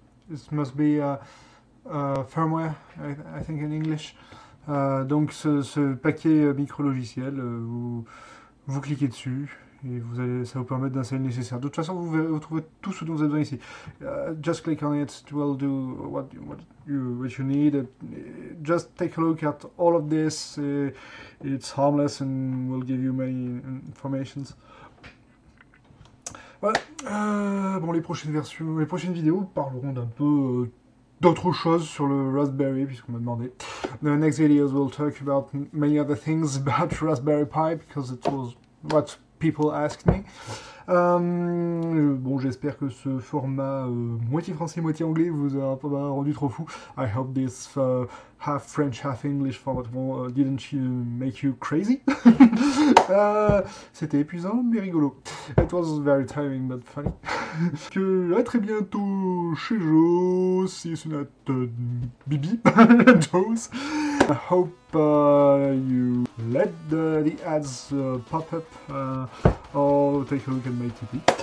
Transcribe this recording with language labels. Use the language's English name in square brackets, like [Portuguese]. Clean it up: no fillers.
[English] This must be firmware, I think, in English. [French] Donc, ce paquet micro-logiciel, vous cliquez dessus et ça vous permet d'installer le nécessaire. De toute façon, vous trouvez tout ce dont vous avez besoin ici. [English] Just click on it, it will do what you need. Just take a look at all of this. It's harmless and will give you many informations. [French] Voilà. Bon, les prochaines vidéos parleront d'un peu d'autres choses sur le Raspberry, puisqu'on m'a demandé. [English] The next videos will talk about many other things about Raspberry Pi, because it was what people asked me. [French] Bon, j'espère que ce format moitié français, moitié anglais vous a pas rendu trop fou. [English] I hope this half French, half English format didn't make you crazy. [French] c'était épuisant, mais rigolo. [English] It was very tiring, but funny. [French] Que à très bientôt chez Jo, si c'est notre Bibi, Joe's. [English] I hope you let the ads pop up or take a look at my TV.